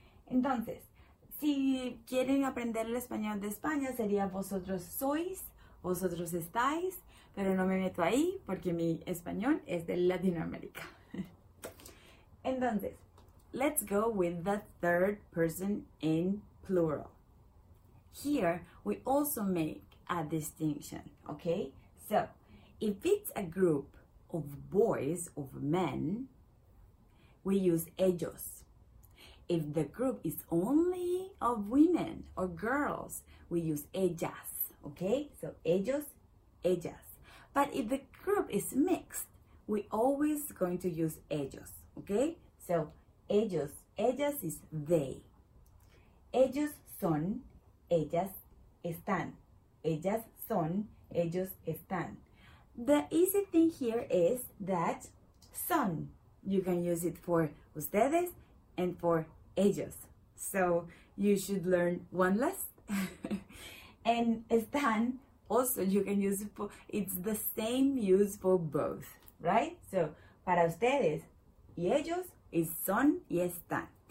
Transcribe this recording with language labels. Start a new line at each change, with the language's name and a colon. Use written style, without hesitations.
Spanish: Entonces, si quieren aprender el español de España, sería vosotros sois, vosotros estáis, pero no me meto ahí porque mi español es de Latinoamérica.
English: Entonces, let's go with the third person in plural. Here, we also make a distinction, okay? So, if it's a group of boys, of men, we use ellos. If the group is only of women or girls, we use ellas, okay?
Spanish: So, ellos, ellas.
English: But if the group is mixed, we're always going to use ellos, okay? So,
Spanish: ellos, ellas
English: is they.
Spanish: Ellos son, ellas están. Ellas son, ellos están.
English: The easy thing here is that son, you can use it for ustedes and for ellos. So you should learn one less. And están, also you can use it for, it's the same use for both, right?
Spanish: So para ustedes y ellos is son y están.